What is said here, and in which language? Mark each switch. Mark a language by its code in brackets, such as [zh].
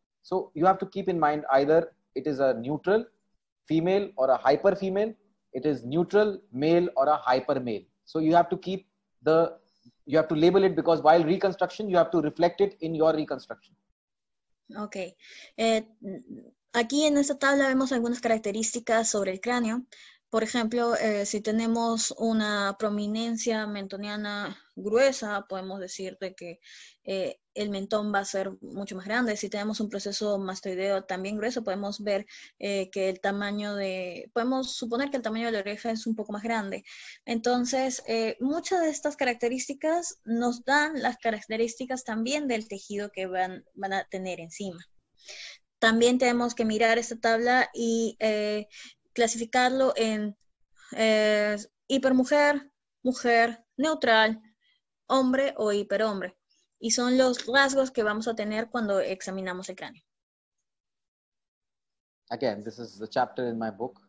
[en] So you have to keep in mind either it is a neutral female or a hyper female, it is neutral male or a hyper male. So you have to keep you have to label it, because while reconstruction, you have to reflect it in your reconstruction. Okay. [es] Aquí en esta tabla vemos algunas características sobre el cráneo. Por ejemplo, si tenemos una prominencia mentoniana gruesa, podemos decir de que el mentón va a ser mucho más grande. Si tenemos un proceso mastoideo también grueso, podemos ver que el tamaño de, podemos suponer que el tamaño de la oreja es un poco más grande. Entonces, muchas de estas características nos dan las características también del tejido que van a tener encima. También tenemos que mirar esta tabla y clasificarlo en hipermujer, mujer, neutral, hombre o hiperhombre. Y son los rasgos que vamos a tener cuando examinamos el cráneo. [en] Again, this is the chapter in my book.